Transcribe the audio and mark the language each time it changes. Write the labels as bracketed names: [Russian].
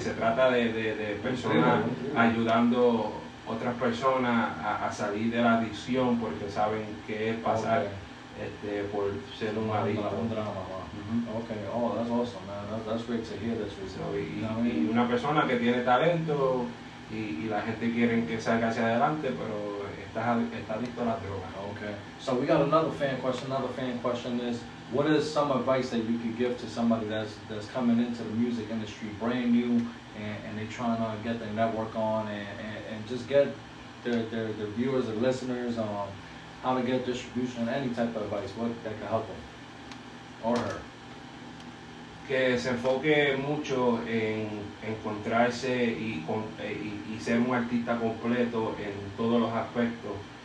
[Spanish] Se trata de personas ayudando otras personas a salir de la adicción porque saben qué es pasar por ser un adicto. Un drama, [English] wow. Mm-hmm. Okay, oh, that's awesome, man. That's great to hear this result. [Spanish] Y una persona que tiene talento y la gente quiere que salga hacia adelante, pero está adicto a la droga. [English] Okay. So we got another fan question. Another fan question is, what is some advice that you could give to somebody that's coming into the music industry brand new and they're trying to get their network on and just get their viewers and listeners on how to get distribution, any type of advice that can help them or her? [Spanish] Que se enfoque mucho en encontrarse y ser un artista completo en todos los aspectos.